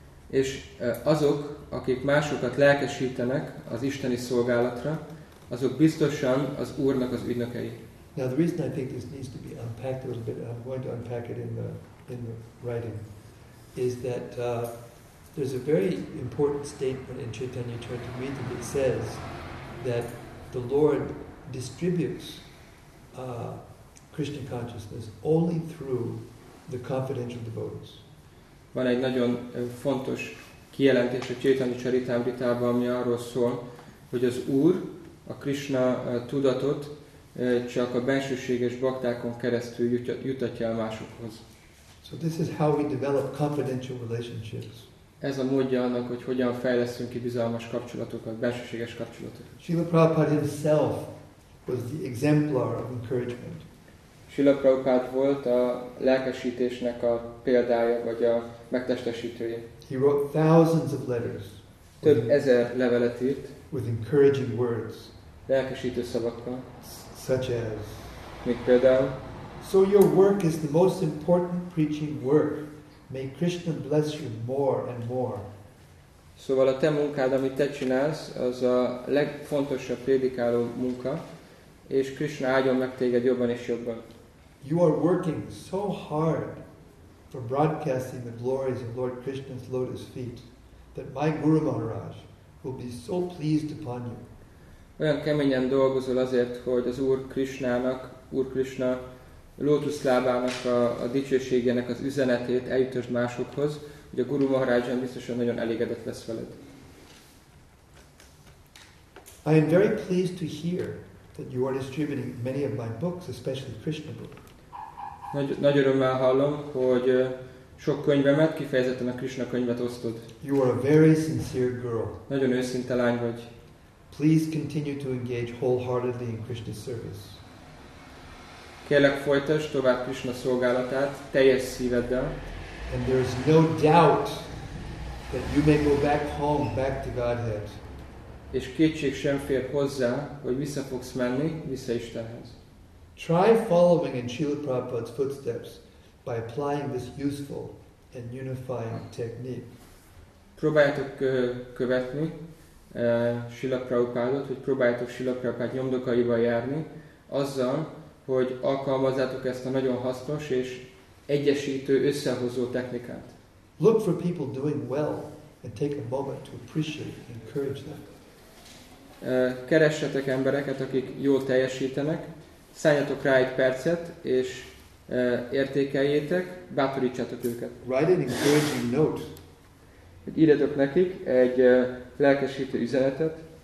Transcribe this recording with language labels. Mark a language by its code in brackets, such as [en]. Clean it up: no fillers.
[hu] És azok, akik másokat lelkesítenek az isteni szolgálatra, azok biztosan az Úrnak az ügynökei. [en] Now the reason I think this needs to be unpacked a little bit, I'm going to unpack it in the writing, is that there's a very important statement in Chaitanya Charitamrita that says that the Lord distributes Krishna consciousness only through the confidential devotees. [hu] Van egy nagyon fontos kijelentés a Chaitanya Charitamritában, ami arról szól, hogy az Úr a Krishna tudatot csak a bensőséges baktákon keresztül jutatja el másokhoz. [en] So this is how we develop confidential relationships. [hu] Ez a módja annak, hogy hogyan fejlesztünk ki bizalmas kapcsolatokat, bensőséges kapcsolatokat. [en] Srila Prabhupada himself was the exemplar of encouragement. [hu] Srila Prabhupada volt a lelkesítésnek a példája, vagy a megtestesítője. [en] He wrote thousands of letters. [hu] Több ezer levelet írt. [en] With encouraging words. [hu] lelkesítő szavakkal. [en] Such as, [hu] mint például, [en] so your work is the most important preaching work. May Krishna bless you more and more. [hu] Szóval a te munkád, amit te csinálsz, az a legfontosabb prédikáló munka, és Krishna áldjon meg téged jobban és jobban. [en] You are working so hard for broadcasting the glories of Lord Krishna's lotus feet that my Guru Maharaj will be so pleased upon you. [hu] Olyan keményen dolgozol azért, hogy az Úr Krishnának, Úr Krishna lótuszlábának a dicsőségének az üzenetét eljutasd másokhoz, hogy a Guru Maharaj biztosan nagyon elégedett lesz veled. [en] I am very pleased to hear that you are distributing many of my books, especially Krishna books. [hu] Nagy örömmel hallom, hogy sok könyvemet, kifejezetten a Krishna könyvet osztod. [en] You are a very sincere girl. [hu] Nagyon őszinte lány vagy. [en] Please continue to engage wholeheartedly in Krishna's service. [hu] Kérlek, folytasd tovább Krishna szolgálatát teljes szíveddel. [en] And there is no doubt that you may go back home, back to Godhead. [hu] És kétség sem fér hozzá, hogy vissza fogsz menni, vissza Istenhez. [en] Try following in Srila Prabhupada's footsteps by applying this useful and unifying technique. [hu] Próbáljátok követni Srila Prabhupádot, hogy próbáljátok Srila Prabhupád nyomdokaival járni, azzal, hogy alkalmazzátok ezt a nagyon hasznos és egyesítő, összehozó technikát. [en] Look for people doing well and take a moment to appreciate and encourage them. [hu] Keressetek embereket, akik jól teljesítenek, szálljatok rá egy percet, és értékeljétek, bátorítsátok őket. [en] Write an encouraging note. [hu] Írjatok nekik egy lelkesítő üzenetet.